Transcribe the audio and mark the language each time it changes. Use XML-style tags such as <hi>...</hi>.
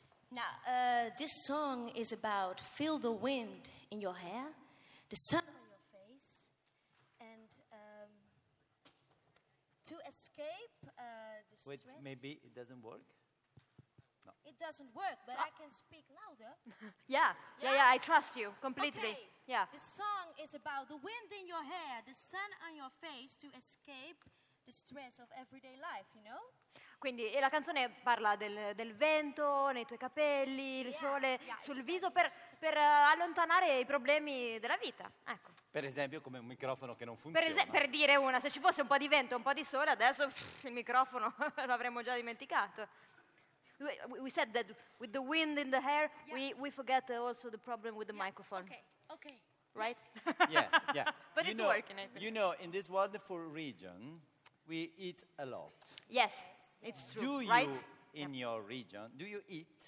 <en>Now, this song is about feel the wind in your hair, the sun on your face, and to escape the stress. Wait, maybe it doesn't work? No. It doesn't work, but I can speak louder. Yeah, I trust you completely. Okay. Yeah. The song is about the wind in your hair, the sun on your face to escape the stress of everyday life, you know?</en> <it>Quindi e la canzone parla del vento nei tuoi capelli, il sole sul esatto. Viso per allontanare i problemi della vita, ecco. Per esempio come un microfono che non funziona. Per dire una, se ci fosse un po' di vento, un po' di sole, adesso il microfono l'avremmo già dimenticato.</it> <en>We said that with the wind in the hair, we forget also the problem with the microphone. Okay. Right? Yeah. But you it's know, working. You know, in this wonderful region, we eat a lot. Yes, it's true, do right? Do you, in your region, do you eat?</en>